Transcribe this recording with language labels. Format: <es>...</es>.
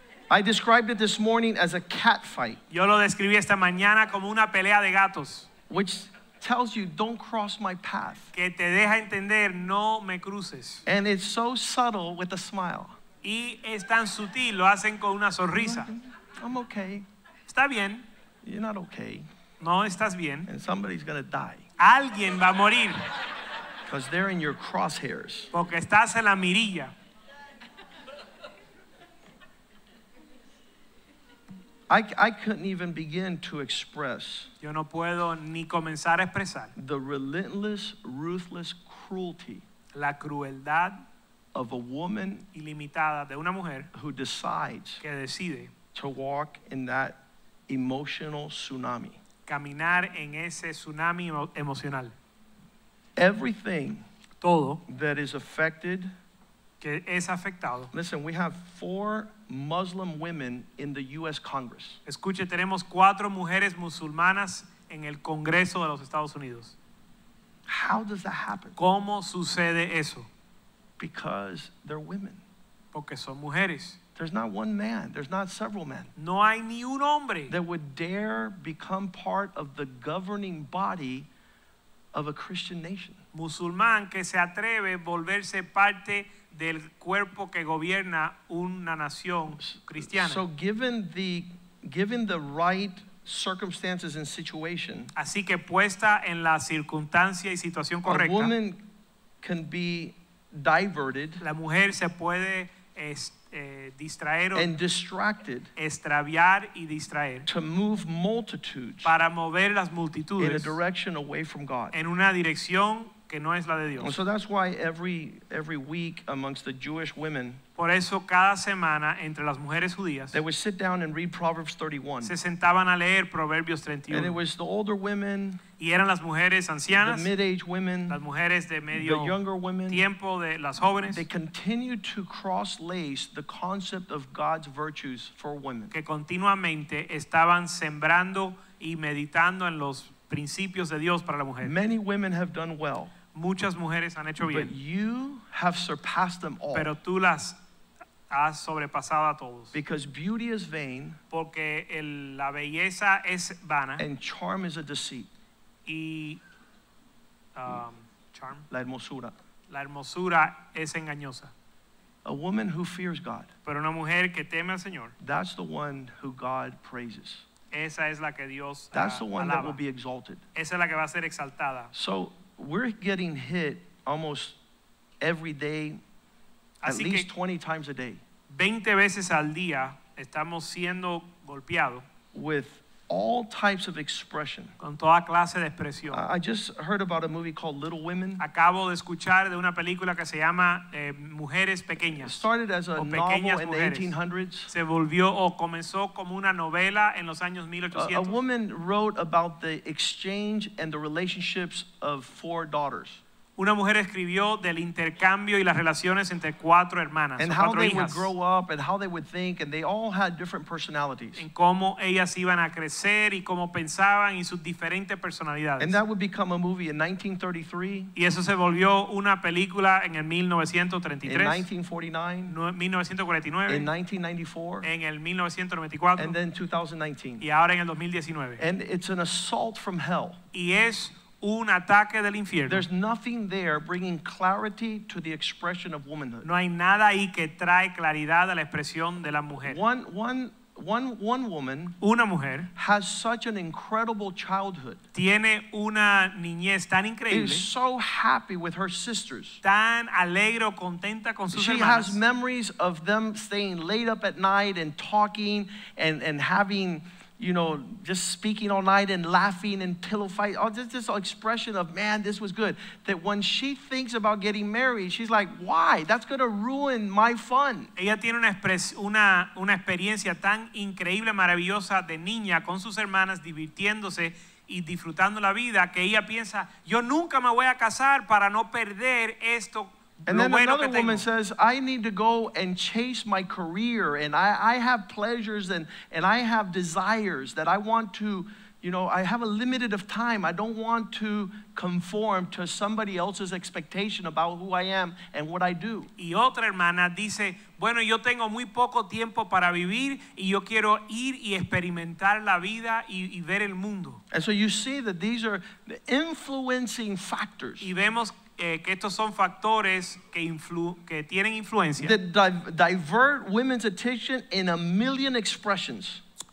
<en>I described it this morning as a cat fight.</en> <es>Yo lo describí esta mañana como una pelea de gatos.</es> <en>Which tells you, don't cross my path.</en> <es>Que te deja entender, no me cruces.</es> <en>And it's so subtle with a smile.</en> <es>Y es tan sutil, lo hacen con una sonrisa.</es> <en>I'm okay.</en> <es>Está bien.</es> <en>You're not okay.</en> <es>No, estás bien.</es> <en>And somebody's gonna die.</en> <es>Alguien va a morir.</es> <en>Because they're in your crosshairs.</en> <es>Porque estás en la mirilla.</es> <en>I couldn't even begin to express.</en> <es>Yo no puedo ni comenzar a expresar.</es> <en>The relentless, ruthless cruelty.</en> <es>La crueldad</es> <en>of a woman</en> <es>ilimitada de una mujer</es> <en>who decides</en> <es>que decide</es> <en>to walk in that emotional tsunami.</en> <es>Caminar en ese tsunami emocional.</es> <en>Everything</en> <es>todo</es> <en>that is affected</en> <es>que es afectado.</es> <en>Listen, we have 4 Muslim women in the U.S. Congress.</en> <es>Escuche, tenemos 4 mujeres musulmanas en el Congreso de los Estados Unidos.</es> <en>How does that happen?</en> <es>¿Cómo sucede eso?</es> <en>Because they're women.</en> <es>Porque son mujeres.</es> <en>There's not one man. There's not several men.</en> <es>No hay ni un hombre</es> <en>that would dare become part of the governing body of a Christian nation.</en> <es>Musulmán que se atreve a volverse parte del cuerpo que gobierna una nación cristiana.</es> <en>So given the right circumstances and situation,</en> <es>así que puesta en la circunstancia y situación correcta,</es> <en>a woman can be diverted,</en> <es>la mujer se puede distraer</es> <en>and distracted,</en> <es>extraviar y distraer,</es> <en>to move multitudes,</en> <es>para mover las multitudes,</es> <en>in a direction away from God,</en> <es>en una dirección que no es la de Dios.</es> <en>And so that's why every week amongst the Jewish women,</en> <es>por eso cada semana entre las mujeres judías,</es> <en>they would sit down and read Proverbs 31.</en> <es>Se sentaban a leer Proverbios 31.</es> <en>And it was the older women,</en> <es>y eran las mujeres ancianas,</es> <en>the mid-age women,</en> <es>las mujeres de medio,</es> <en>the younger women,</en> <es>tiempo de las jóvenes,</es> <en>they continued to cross-lace the concept of God's virtues for women.</en> <es>Que continuamente estaban sembrando y meditando en los principios de Dios para la mujer.</es> <en>Many women have done well.</en> <es>Muchas mujeres han hecho bien.</es> <en>But you have surpassed them all.</en> <es>Pero tú las has sobrepasado a todos.</es> <en>Because beauty is vain.</en> <es>Porque la belleza es vana.</es> <en>And charm is a deceit.</en> <es>Y charm. La hermosura. La hermosura es engañosa.</es> <en>A woman who fears God.</en> <es>Pero una mujer que teme al Señor.</es> <en>That's the one who God praises.</en> <es>Esa es la que Dios,</es> <en>that's the one</en> <es>alaba.</es> <en>That will be exalted.</en> <es>Esa es la que va a ser exaltada.</es> <en>So we're getting hit almost every day,</en> <es>así</es> <en>at least 20 times a day.</en> <es>20 veces al día estamos siendo golpeado.</es> <en>With all types of expression.</en> <es>Con toda clase de expresión.</es> <en>I just heard about a movie called Little Women.</en> <es>Acabo de escuchar de una película que se llama Mujeres Pequeñas.</es> <en>It started as a novel in the 1800s.</en> <es>Se volvió o comenzó como una novela en los años 1800.</es> <en>A woman wrote about the exchange and the relationships of 4 daughters.</en> <es>Una mujer escribió del intercambio y las relaciones entre cuatro hermanas,</es> <en>and</en> <es>cuatro</es> <en>how they</en> <es>hijas.</es> <en>Would grow up and how they would think, and they all had different personalities.</en> <es>En cómo ellas iban a crecer y cómo pensaban y sus diferentes personalidades.</es> <en>And that would become a movie in 1933.</en> <es>Y eso se volvió una película en el 1933.</es> <en>In 1949.</en> <es>1949.</es> <en>In 1994.</en> <es>En el 1994.</es> <en>And then 2019.</en> <es>Y ahora en el 2019.</es> <en>And it's an assault from hell.</en> <es>Y es un ataque del infierno.</es> <en>There's nothing there bringing clarity to the expression of womanhood.</en> <es>No hay nada ahí que trae claridad a la expresión de la mujer.</es> <en>One woman,</en> <es>una mujer,</es> <en>has such an incredible childhood.</en> <es>Tiene una niñez tan increíble.</es> <en>Is so happy with her sisters.</en> <es>Tan alegre o contenta con sus hermanas.</es> <en>She has memories of them staying late up at night and talking and having, you know, just speaking all night and laughing and pillow fight. Oh, just this expression of, man, this was good. That when she thinks about getting married, she's like, why? That's going to ruin my fun.</en> <es>Ella tiene una experiencia tan increíble, maravillosa de niña con sus hermanas divirtiéndose y disfrutando la vida que ella piensa, yo nunca me voy a casar para no perder esto.</es> <en>And then</en> <es>bueno</es> <en>another woman says, I need to go and chase my career, and I have pleasures and I have desires that I want to, you know, I have a limited of time. I don't want to conform to somebody else's expectation about who I am and what I do.</en> <es>Y otra hermana dice, bueno, yo tengo muy poco tiempo para vivir y yo quiero ir y experimentar la vida y ver el mundo.</es> <en>And so you see that these are the influencing factors.</en> <es>Y vemos que estos son factores que tienen influencia.</es> <en>That divert women's attention in a million expressions.</en>